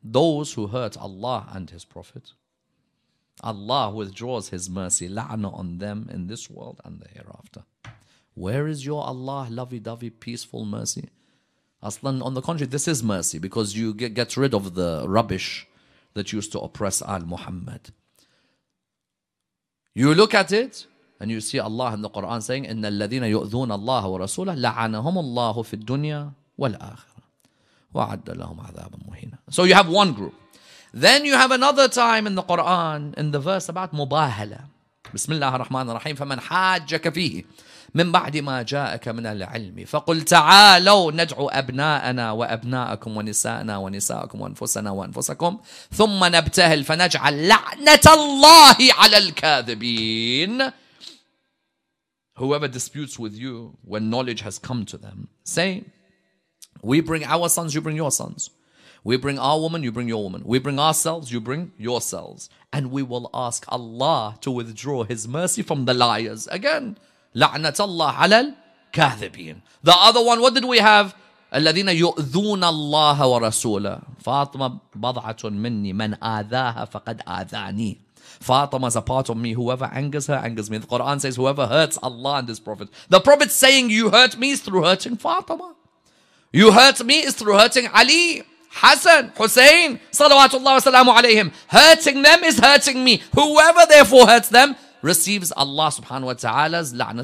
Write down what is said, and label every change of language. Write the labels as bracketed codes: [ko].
[en] Those who hurt Allah and His Prophet, Allah withdraws His mercy, la'na on them in this world and the hereafter. Where is your Allah, lovey-dovey, peaceful mercy? Aslan, on the contrary, this is mercy because you get rid of the rubbish that used to oppress Al-Muhammad. You look at it, and you see Allah in the Quran saying, [ar] إِنَّ الَّذِينَ يُؤْذُونَ اللَّهَ وَرَسُولَهُ لَعَنَهُمُ اللَّهُ فِي الدُّنْيَا وَالْآخِرَةِ وَعَدَّ لَهُمْ عَذَابًا مُهِينًا. [en] So you have one group. Then you have another time in the Quran, in the verse about مُبَاهَلَة. [ar] بسم الله الرحمن الرحيم فَمَنْ حَاجَّكَ فِيهِ مِنْ بَعْدِ مَا جَاءَكَ مِنَ الْعِلْمِ فَقُلْ تَعَالَوْ نَدْعُ أَبْنَاءَنَا وَأَبْنَاءَكُمْ وَنِسَاءَنَا وَنِسَاءَكُمْ وَأَنفُسَنَا وَأَنفُسَكُمْ ثُمَّ نَبْتَهِلْ فَنَجْعَلْ لَعْنَةَ اللَّهِ عَلَى الْكَاذِبِينَ. [en] Whoever disputes with you when knowledge has come to them, say, we bring our sons, you bring your sons. We bring our woman, you bring your woman. We bring ourselves, you bring yourselves. And we will ask Allah to withdraw His mercy from the liars. [ar] Again, لعنت الله على الكاذبين. [en] The other one, what did we have? [ar] الذين يؤذون الله ورسوله. فاطمة بضعة مني من آذاها فقد آذاني. [en] Fatima is a part of me. Whoever angers her, angers me. The Quran says, whoever hurts Allah and His Prophet. The Prophet saying, you hurt me is through hurting Fatima. You hurt me is through hurting Ali, Hassan, Hussein, salawatullahi wa salamu alayhim. Hurting them is hurting me. Whoever therefore hurts them receives Allah subhanahu wa ta'ala's la'na.